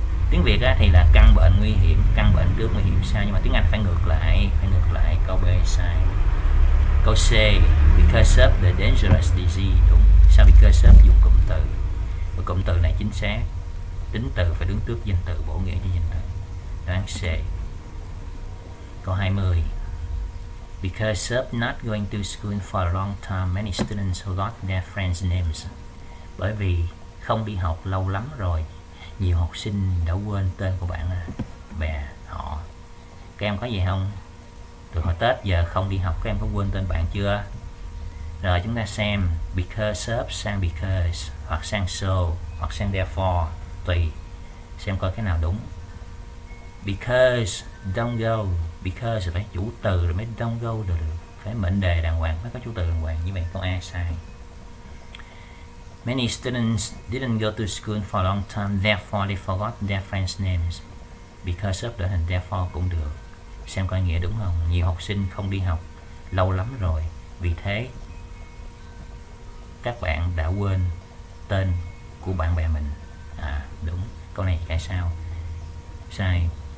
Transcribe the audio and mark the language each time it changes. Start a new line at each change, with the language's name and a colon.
Vietnamese: Tiếng Việt á, thì là căn bệnh nguy hiểm, căn bệnh trước nguy hiểm sau, nhưng mà tiếng Anh phải ngược lại. Phải ngược lại, câu B sai. Câu C,
English: because of the dangerous disease,
Vietnamese: đúng. Sao because of dùng cụm từ? Và cụm từ này chính xác. Tính từ phải đứng trước danh từ, bổ nghĩa cho danh từ. Đoán C. Câu 20.
English: Because of not going to school for a long time, many students forgot their friends' names.
Vietnamese: Bởi vì không đi học lâu lắm rồi, nhiều học sinh đã quên tên của bạn bè họ. Các em có gì không? Từ hồi Tết giờ không đi học, các em có quên tên bạn chưa? Rồi chúng ta xem because of sang because, hoặc sang so, hoặc sang therefore, tùy. Xem coi cái nào đúng.
English: Because don't go.
Vietnamese: Because phải chủ từ rồi mới don't go được. phải mệnh đề đàng hoàng, phải có chú từ đàng hoàng. Như vậy câu A sai.
English: Many students didn't go to school for a long time, therefore they forgot their friends' names. Because of the therefore
Vietnamese: cũng được. Xem coi nghĩa đúng không? Nhiều học sinh không đi học lâu lắm rồi, vì thế các bạn đã quên tên của bạn bè mình. À đúng, câu này tại sao? Sai.